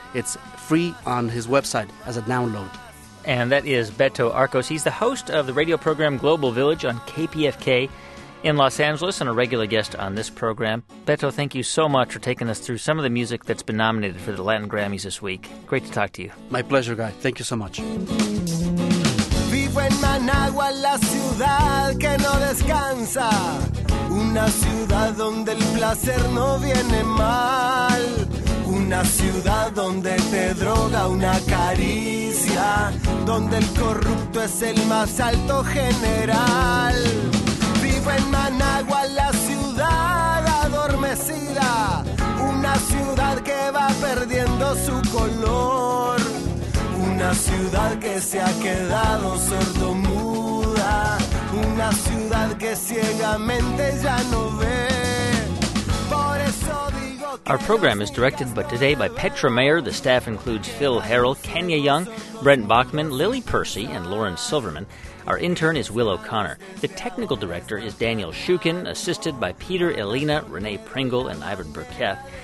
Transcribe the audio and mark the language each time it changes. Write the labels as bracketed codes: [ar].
[en] It's free on his website as a download. And that is Beto Arcos. He's the host of the radio program Global Village on KPFK in Los Angeles and a regular guest on this program. Beto, thank you so much for taking us through some of the music that's been nominated for the Latin Grammys this week. Great to talk to you. My pleasure, Guy. Thank you so much. [es] Vivo en Managua, la ciudad que no descansa. Una ciudad donde el placer no viene mal. Una ciudad donde te droga una caricia. Donde el corrupto es el más alto general. Vivo en Managua, la ciudad adormecida. Una ciudad que va perdiendo su color. Una ciudad que se ha quedado sordomuda. Una ciudad que ciegamente ya no ve. Por eso digo que... [en] Our program is directed but today by Petra Mayer. The staff includes Phil Harrell, Kenya Young, Brent Bachman, Lily Percy, and Lauren Silverman. Our intern is Will O'Connor. The technical director is Daniel Shukin, assisted by Peter Elena, Renee Pringle, and Ivan Burketh.